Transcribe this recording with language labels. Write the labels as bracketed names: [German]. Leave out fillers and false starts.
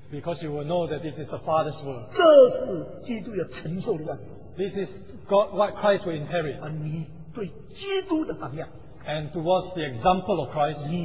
[English] because you will know that this is the Father's will. [Chinese] 这是基督要承受的万物, [English] this is God, what Christ will inherit. [Chinese] 你对基督的榜样, [English] and towards the example of Christ,